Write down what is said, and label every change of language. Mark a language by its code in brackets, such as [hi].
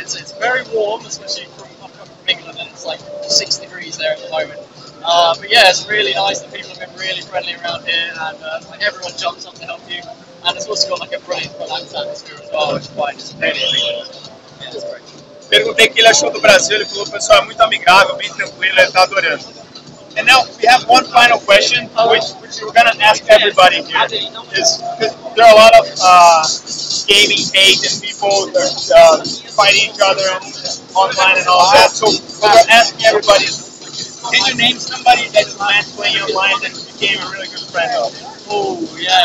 [en] It's very warm, especially from England, and it's like 6 degrees there at the moment. But yeah, it's really nice. The people have been really friendly around here, and like everyone jumps up to help you. And it's also got like a brilliant relaxed atmosphere as well, which is why it's really amazing. Yeah, it's great. [pt] Perguntei o que ele achou do Brasil, ele falou, pessoal, é muito amigável, bem tranquilo, ele tá adorando. [en] And now, we have one final question, which we're gonna ask everybody here. Is, there are a lot of gaming fans and people fighting each other online and all that, so we're asking everybody, can you name somebody that you met playing online that became a really good friend of?